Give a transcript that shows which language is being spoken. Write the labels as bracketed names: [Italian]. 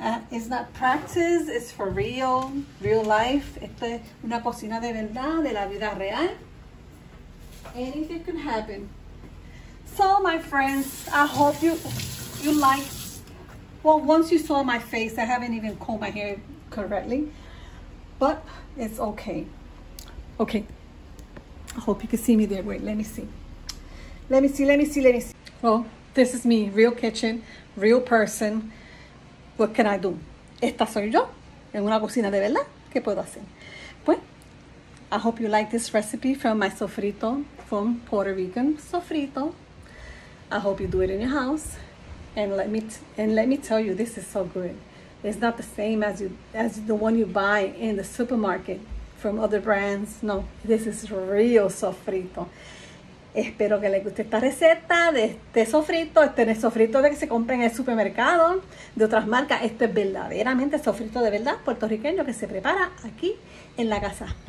[English] It's not practice, it's for real, real life. [Spanish] Esta es una cocina de verdad, de la vida real. [English] Anything could happen. So, my friends, I hope you like. Well, once you saw my face, I haven't even combed my hair correctly. But it's okay. Okay. I hope you can see me there. Wait, let me see. Let me see, let me see, let me see. Well, this is me, real kitchen, real person. What can I do? [Spanish] Esta soy yo, en una cocina de verdad. ¿Qué puedo hacer? [English] Pues, I hope you like this recipe from my sofrito, from Puerto Rican sofrito. I hope you do it in your house. And let me tell you, this is so good. It's not the same as the one you buy in the supermarket from other brands. No, this is real sofrito. [Spanish] Espero que les guste esta receta de este sofrito. Este no es sofrito de que se compra en el supermercado de otras marcas. Este es verdaderamente sofrito de verdad puertorriqueño que se prepara aquí en la casa.